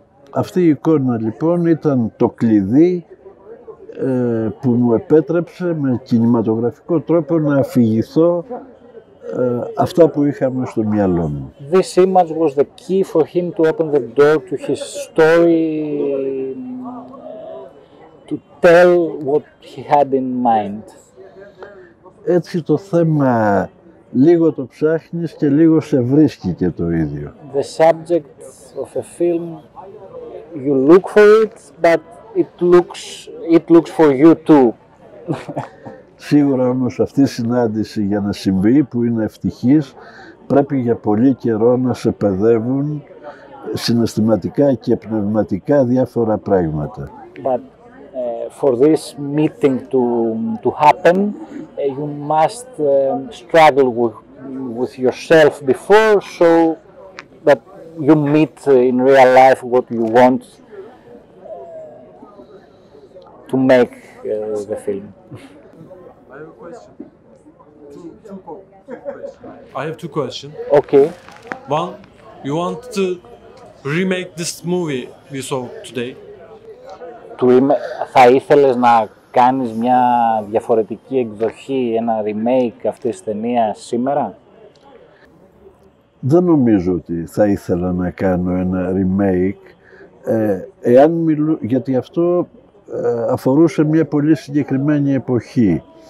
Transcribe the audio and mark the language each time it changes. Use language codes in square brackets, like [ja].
[el] Αυτή η εικόνα λοιπόν ήταν το κλειδί που μου επέτρεψε με κινηματογραφικό τρόπο να αφηγηθώ αυτά που είχαμε στο μυαλό μου. [en] This image was the key for him to open the door to his story, to tell what he had in mind. [el] Έτσι το θέμα λίγο το ψάχνεις και λίγο σε βρίσκει και το ίδιο. [en] The subject of a film, you look for it, but it looks for you too. [el] Σίγουρα όμως αυτή η συνάντηση για να συμβεί, που είναι ευτυχής, πρέπει για πολύ καιρό να σε παιδεύουν συναισθηματικά και πνευματικά διάφορα πράγματα. [en] But for this meeting to happen, you must struggle with yourself before, so that you meet in real life what you want to make the film. I have a question. Two questions. I have two questions. Okay. One, you want to remake this movie we saw today? [el] Θα ήθελες να κάνεις μια διαφορετική εκδοχή, ένα remake αυτής της ταινίας σήμερα? Δεν νομίζω ότι θα ήθελα να κάνω ένα remake, εάν μιλού, γιατί αυτό αφορούσε μια πολύ συγκεκριμένη εποχή.